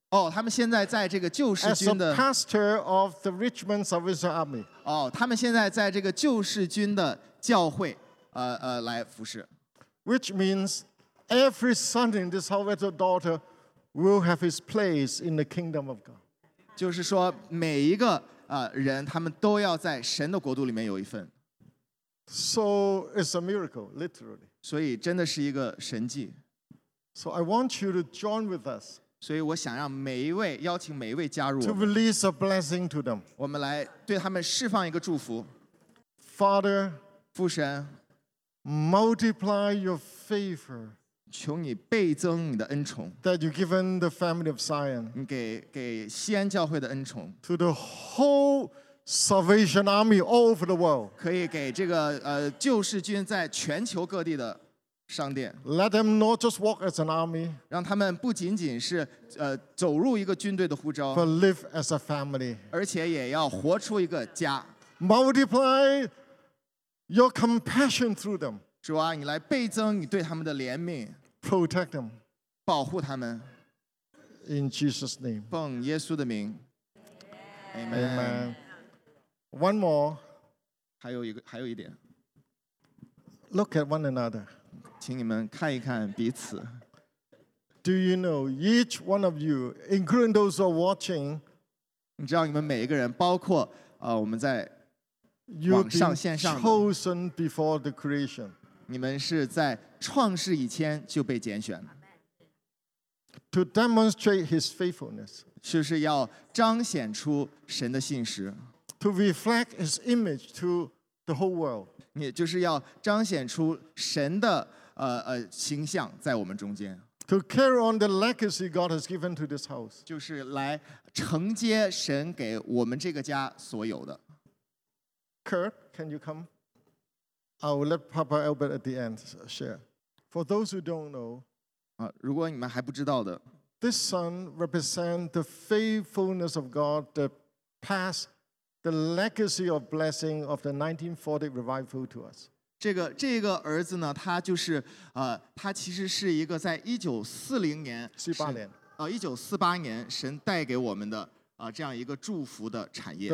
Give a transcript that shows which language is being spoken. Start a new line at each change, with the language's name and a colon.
Chinese: 他们现在在这个救世军的。
English: As a pastor of the Richmond Salvation Army.
Chinese: 他们现在在这个救世军的教会。来服侍
English: which means every son in this house or daughter will have his place in the kingdom of God.
Chinese: 就是说每一个人他们都要在神的国度里面有一份。
English: So it's a miracle, literally.
Chinese: 所以真的是一个神迹。
English: So I want you to join with us.
Chinese: 所以我想让每一位邀请每一位加入。
English: To release a blessing to them.
Chinese: 我们来对他们释放一个祝福。
English: Father,
Chinese: 父神。
English: Multiply your favor.
Chinese: 求你倍增你的恩宠。
English: That you've given the family of Zion.
Chinese: 你给西安教会的恩宠。
English: To the whole Salvation Army all over the world.
Chinese: 可以给这个救世军在全球各地的商店。
English: Let them not just walk as an army.
Chinese: 让他们不仅仅是走入一个军队的呼召。
English: But live as a family.
Chinese: 而且也要活出一个家。
English: Multiply. Your compassion through them.
Chinese: 主啊，你来倍增你对他们的怜悯。
English: Protect them.
Chinese: 保护他们。
English: In Jesus' name.
Chinese: 奉耶稣的名。
English: Amen. Amen. One more.
Chinese: 还有一点。
English: Look at one another.
Chinese: 请你们看一看彼此。
English: Do you know each one of you, including those who are watching?
Chinese: 你知道你们每一个人，包括我们在网上线上的。
English: You've been chosen before the creation.
Chinese: 你们是在创世以前就被拣选。
English: To demonstrate His faithfulness.
Chinese: 就是要彰显出神的信实。
English: To reflect His image to the whole world.
Chinese: 也就是要彰显出神的形象在我们中间。
English: To carry on the legacy God has given to this house.
Chinese: 就是来承接神给我们这个家所有的。
English: Kurt, can you come? I will let Papa Albert at the end share. For those who don't know,
Chinese: 如果你们还不知道的，
English: this son represents the faithfulness of God that passed the legacy of blessing of the 1940 revival to us.
Chinese: 这个儿子呢，他就是他其实是一个在1948年神带给我们的这样一个祝福的产业。